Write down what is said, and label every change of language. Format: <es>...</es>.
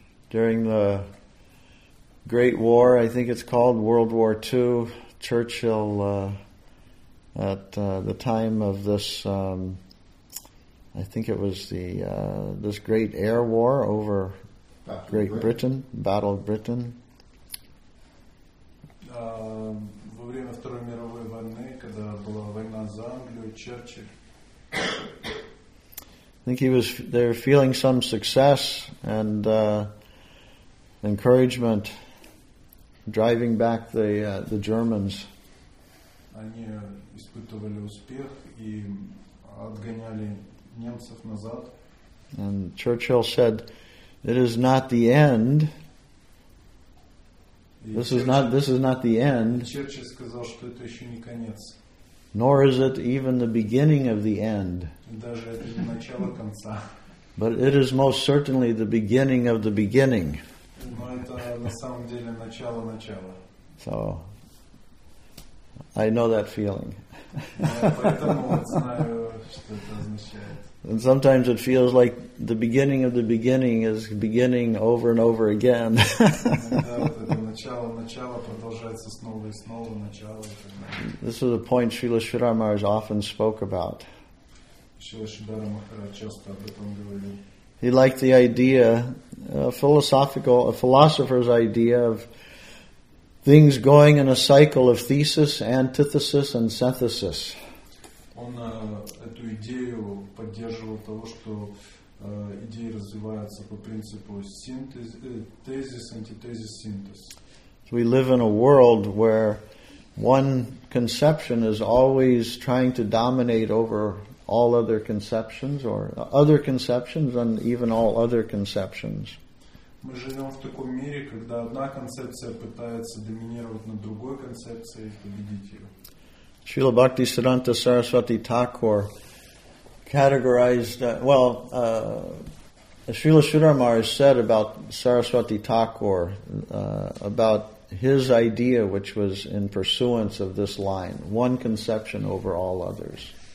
<en>During the Great War, I think it's called World War II, Churchill, at the time of this, I think it was the this Great Air War over Great Britain, Battle of Britain.</en> <ru>Во время Второй мировой войны, когда была война за Англию, Черчилль.</ru> <en>I think he was there feeling some success and encouragement driving back the Germans.</en> <ru>Они испытывали успех и отгоняли немцев назад.</ru> <en>And Churchill said, "It is not the end." This is not the end.</en> <ru>Churchill сказал, что это еще не конец.</ru> <en>Nor is it even the beginning of the end.</en> <ru>Даже это не начало конца.</ru> <en>But it is most certainly the beginning of the beginning.</en> <ru>Но это на самом деле начало начала.</ru> <en>So, I know that feeling.</en> <ru>Поэтому знаю, что это означает.</ru> <en>And sometimes it feels like the beginning of the beginning is beginning over and over again. This is a point Srila Sridhar Maharaj often spoke about. He liked the idea, a philosopher's idea of things going in a cycle of thesis, antithesis, and synthesis.</en> <ru>Он эту идею поддерживал того, что идеи развиваются по принципу тезис, антитезис, синтез.</ru> <en>We live in a world where one conception is always trying to dominate over all other conceptions, or other conceptions, and even all other conceptions.</en> <ru>Мы живем в таком мире, когда одна концепция пытается доминировать над другой концепцией и победить ее.</ru> <en>Srila Bhaktisiddhanta Saraswati Thakur categorized, Srila Sridhar Maharaj said about Saraswati Thakur, about his idea, which was in pursuance of this line, one conception over all others.</en>